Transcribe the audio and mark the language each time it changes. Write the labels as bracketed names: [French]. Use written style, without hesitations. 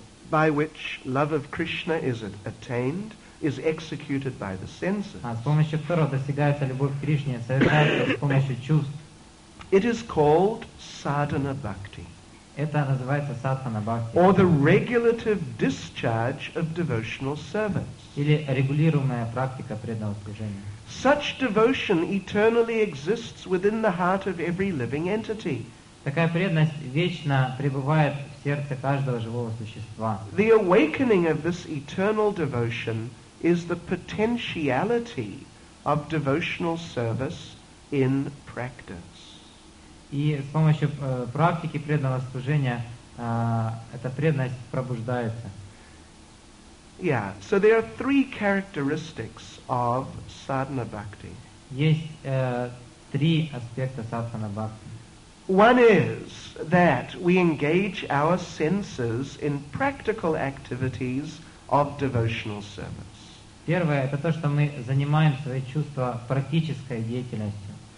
[English] by which love of Krishna is attained, is executed by the senses. [Russian] С помощью которого достигается любовь к Кришне, совершается с помощью чувств. [English] It is called sadhana bhakti. [Russian] Это называется садхана бхакти. [English] Or the regulative discharge of devotional service. [Russian] Или регулируемая практика преданного служения. [English] Such devotion eternally exists within the heart of every living entity. [Russian] Такая преданность вечно пребывает в сердце каждого живого существа. [English] The awakening of this eternal devotion is the potentiality of devotional service in practice. [Russian] И с помощью практики преданного служения эта преданность пробуждается. [English] Yeah, so there are three characteristics of sadhana bhakti. [Russian] Есть три аспекта садхана бхакти. [English] One is that we engage our senses in practical activities of devotional service. [Russian] Первое — это то, что мы занимаем свои чувства практической деятельностью.